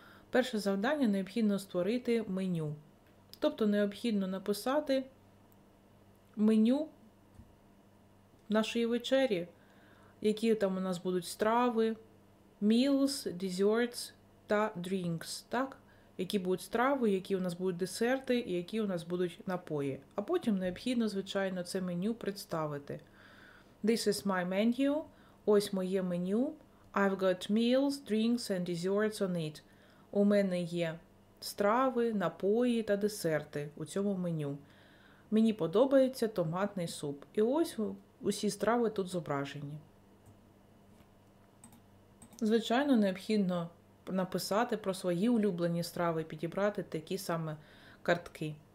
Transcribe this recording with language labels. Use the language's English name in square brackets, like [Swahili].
[Ukrainian] Перше завдання – необхідно створити меню. Тобто необхідно написати меню нашої вечері, які там у нас будуть страви, meals, desserts та drinks, так? Які будуть страви, які у нас будуть десерти і які у нас будуть напої. А потім необхідно, звичайно, це меню представити. [English] This is my menu. [Ukrainian] Ось моє меню. [English] I've got meals, drinks and desserts on it. [Ukrainian] У мене є страви, напої та десерти у цьому меню. Мені подобається томатний суп. І ось усі страви тут зображені. Звичайно, необхідно написати про свої улюблені страви, підібрати такі саме картки.